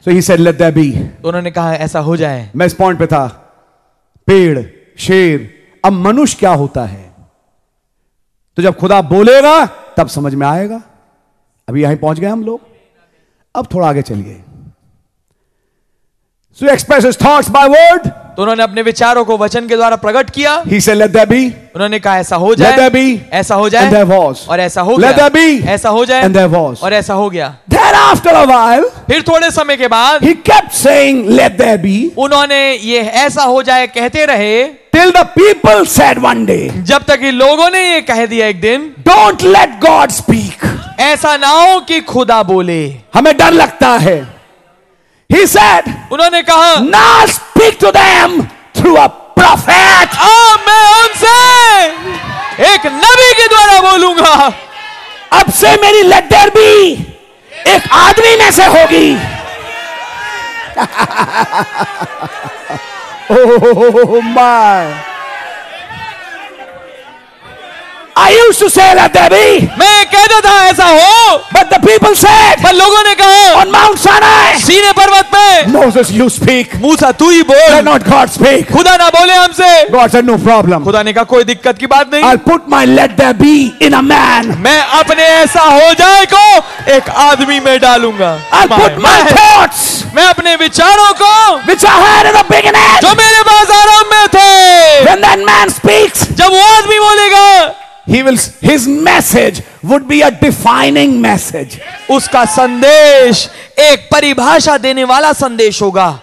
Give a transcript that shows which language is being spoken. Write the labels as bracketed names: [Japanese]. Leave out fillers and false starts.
[English] so he said let there be, [Hindi] उन्होंने कहा ऐसा हो जाए। मैं इस पॉइंट पे था, पेड़ शेर, अब मनुष्य क्या होता है? तो जब खुदा बोलेगा तब समझ में आएगा। अभी यहीं पहुंच गए हम लोग, अब थोड़ा आगे चलिए। [English] So he expressed his thoughts by word. [Hindi] तो उन्होंने अपने विचारों को वचन के द्वारा प्रकट किया। [English] He said, let there be. [Hindi] उन्होंने कहा ऐसा हो जाए। [English] Let there be. [Hindi] ऐसा हो जाए। [English] And there was. [Hindi] और ऐसा हो [English] let [Hindi] गया। [English] Let there be. [Hindi] ऐसा हो जाए। [English] And there was. [Hindi] और ऐसा हो गया। [English] Then after a while. [Hindi] फिर थोड़े समय के बाद। [English] He kept saying, let there be. [Hindi] उन्होंने ये ऐसा हो जाए कहते रहे। [English] Till the people said one day. [Hindi] जब तक कि लोगों ने ये कह दिया एक दिन। [English] Don't let God speak. [Hindi] ऐसा ना हो कि खुदा बोले। हमें डर लगता है। [English] He said, [Hindi] उन्होंने कहा, [English] Now speak to them through a prophet. [Hindi] मैं उनसे एक नबी के द्वारा बोलूंगा। अब से मेरी [English] let there be [Hindi] एक आदमी में से होगी। [English] Oh my! I used to say that there be. [Hindi] मैं कहता था ऐसा हो. [English] But the people said. [Hindi] पर लोगों ने कहा. [English] On Mount Sinai. [Hindi] सीने पर्वत पे. [English] Moses, you speak. [Hindi] मूसा तू ही बोल. [English] Let not God speak. [Hindi] खुदा ना बोले हमसे. [English] God said no problem. [Hindi] खुदा ने कहा कोई दिक्कत की बात नहीं. [English] I'll put my let there be in a man. [Hindi] मैं अपने ऐसा हो जाए को एक आदमी में डालूंगा. [English] I'll put my thoughts. [Hindi] मैं अपने विचारों को. [English] Which I had in the beginning. [Hindi] जो मेरे पास आरंभ में थे. [English] When that man speaks. [Hindi] जब वो आदमी बोलेगा. [English] He will. His message would be a defining message. [Hindi] उसका संदेश एक परिभाषा देने वाला संदेश होगा.